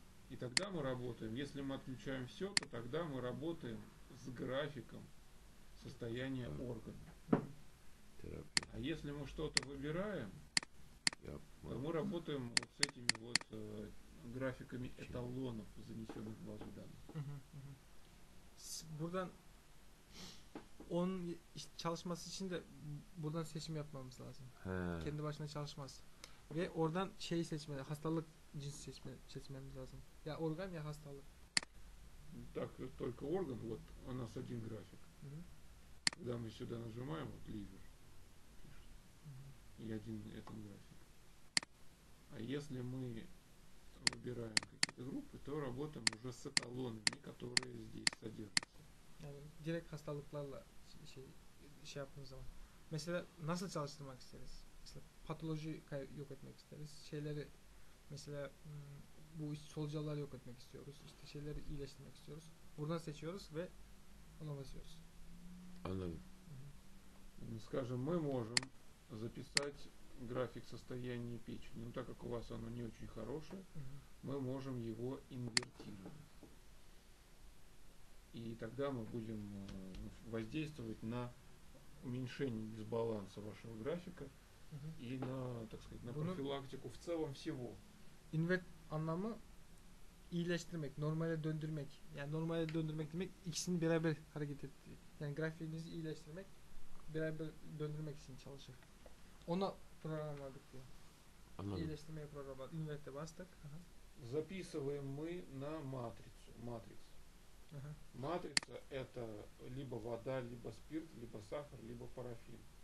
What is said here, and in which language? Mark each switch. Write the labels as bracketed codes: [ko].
[ru] И тогда мы работаем. Если мы отключаем все, то тогда мы работаем с графиком состояния органа. А если мы что-то выбираем, то мы работаем вот с этими вот графиками эталонов, занесенных в базу данных. [tr] Buradan onun çalışması için de buradan seçim yapmamız lazım. He. Kendi başına çalışmaz. Ve oradan şeyi seçmeli, hastalık cinsi seçmemiz lazım. Ya organ ya hastalık. [ru] Так, только орган, вот у нас один график. Когда мы сюда нажимаем, вот ливер. И один этот график. А если мы выбираем какие-то группы, то работаем уже с эталонами, которые здесь содержатся. [tr] Yani direkt hastalıklarla şey yaptığımız zaman. Mesela nasıl çalıştırmak isteriz? Mesela patoloji yok etmek isteriz. Şeyleri mesela bu solucanları yok etmek istiyoruz. İşte şeyleri iyileştirmek istiyoruz. Buradan seçiyoruz ve ona basıyoruz. Anladım. Yani, [ru] скажем, мы можем записать график состояния печени, но так как у вас оно не очень хорошее, мы можем его инвертировать. И тогда мы будем воздействовать на уменьшение дисбаланса вашего графика и на, так сказать, на профилактику в целом всего. [tr] Инверт anlamı iyileştirmek, normale döndürmek. Yani normale döndürmek demek ikisini beraber hareket ettiği. Yani grafiğinizi iyileştirmek, beraber döndürmek için çalışır. Ona [ru] программировать его. Анализ. Иллюстрирование программы. Инверте бастак. Записываем мы на матрицу. Матрица. Матрица это либо вода, либо спирт, либо сахар, либо парафин.